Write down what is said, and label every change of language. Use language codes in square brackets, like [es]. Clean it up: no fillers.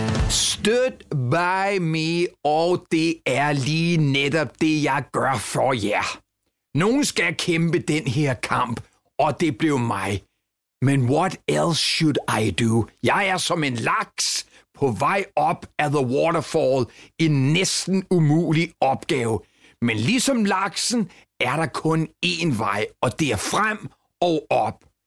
[en] Stood by me, [da] og det er lige netop det, jeg gør for jer. Nogen skal kæmpe den her kamp, og det blev mig. Men [en] what else should I do? [da] Jeg er som en laks på vej op ad [en] the waterfall, [da] en næsten umulig opgave. Men ligesom laksen er der kun én vej, og det er frem og op.